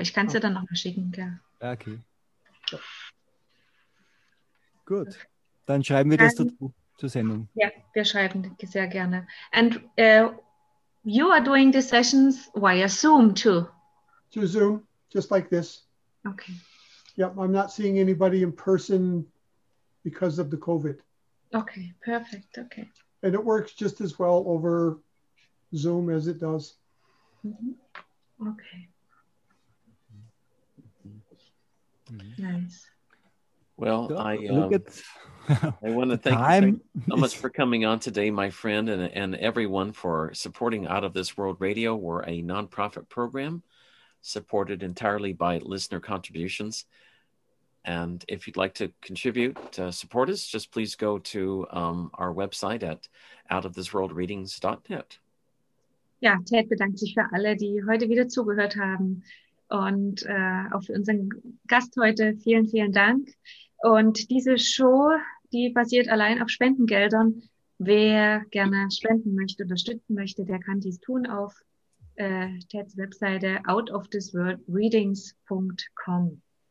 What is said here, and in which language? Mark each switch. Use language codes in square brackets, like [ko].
[de] Ich kann es dir dann noch mal schicken. Ja. Okay. Gut. Dann schreiben wir das dazu zur Sendung. Ja, wir schreiben sehr gerne. [en] And you are doing the sessions via Zoom too. To Zoom, just like this. Okay. Yep, I'm not seeing anybody in person because of the COVID. Okay, perfect. Okay. And it works just as well over Zoom as it does. Mm-hmm. Okay. Nice. Well, I want to thank you so much for coming on today, my friend, and everyone for supporting Out of This World Radio. We're a nonprofit program supported entirely by listener contributions. And if you'd like to contribute to support us, just please go to our website at outofthisworldreadings.net. [de] Ja, Ted bedankt sich für alle, die heute wieder zugehört haben. Und auch für unseren Gast heute vielen, vielen Dank. Und diese Show, die basiert allein auf Spendengeldern. Wer gerne spenden möchte, unterstützen möchte, der kann dies tun auf Teds Webseite outofthisworldreadings.com.